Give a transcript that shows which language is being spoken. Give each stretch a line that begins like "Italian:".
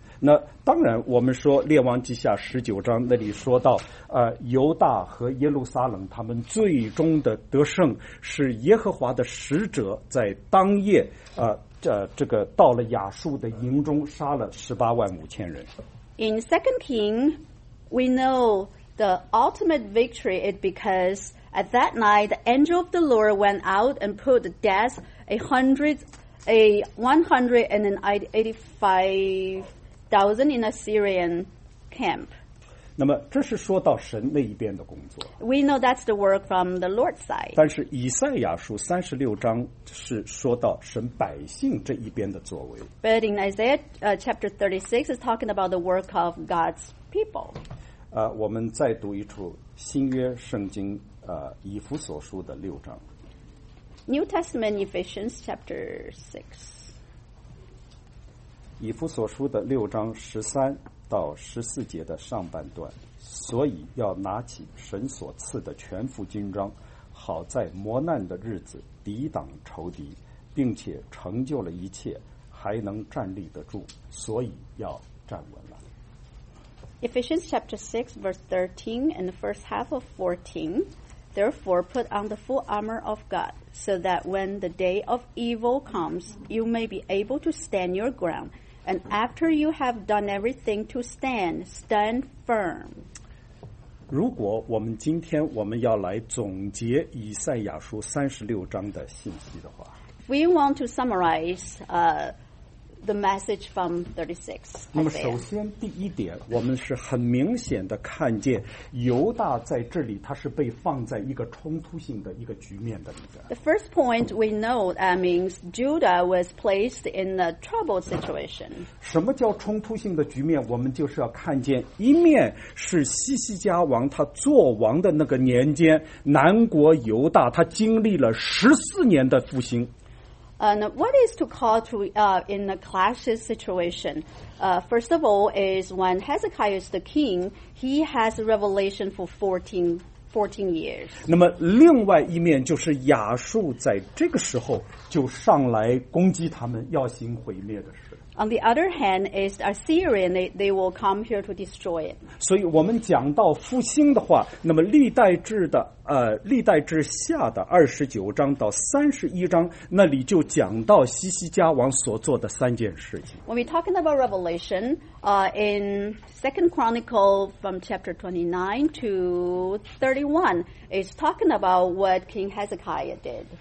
Chinese: 那当然我们说列王记下十九章那里说到犹大和耶路撒冷他们最终的得胜是耶和华的使者在当夜这个到了亚述的营中杀了185,000人。
English: In 2 Kings, we know the ultimate victory is because at that night the angel of the Lord went out and put the death a hundred and eighty-five thousand in a Syrian camp.
Chinese: 那么这是说到神那一边的工作。
English: We know that's the work from the Lord's side.
Chinese: 但是以赛亚书三十六章是说到神百姓这一边的作为。
English: But in Isaiah chapter 36 is talking about the work of God's people.
Chinese: 我们再读一处新约圣经以弗所书的六章。
English: New Testament Ephesians chapter 6.
Chinese: 以弗所书的六章十三到十四节的上半段，所以要拿起神所赐的全副军装，好在磨难的日子抵挡仇敌，并且成就了一切，还能站立得住，所以要站稳了。
English: Ephesians chapter 6 verse 13 and the first half of 14, therefore put on the full armor of God, so that when the day of evil comes, you may be able to stand your ground. And after you have done everything to stand, stand firm.
Chinese: 如果我们今天我们要来总结以赛亚书三十六章的信息的话，
English: If we want to summarize the message from 36.
Chinese: 那么首先第一点，我们是很明显的看见犹大在这里，他是被放在一个冲突性的一个局面的里边。
English: The first point we know that means Judah was placed in a troubled situation.
Chinese: 什么叫冲突性的局面？我们就是要看见一面是西西家王他做王的那个年间，南国犹大他经历了14年的复兴。
English: And what is to call to in a clashes situation? First of all, is when Hezekiah is the king, he has a revelation for 14 years.
Chinese: 那么另外一面就是亚述在这个时候就上来攻击他们，要行毁灭的事。
English: On the other hand, is Assyrian, they will come here to destroy it.
Chinese: 所以我们讲到复兴的话，那么历代志的历代志下的29章到31章，那里就讲到西西家王所做的三件事情。
English: When we're talking about Revelation, in Second Chronicle from chapter 29 to 31, is talking about what King Hezekiah did.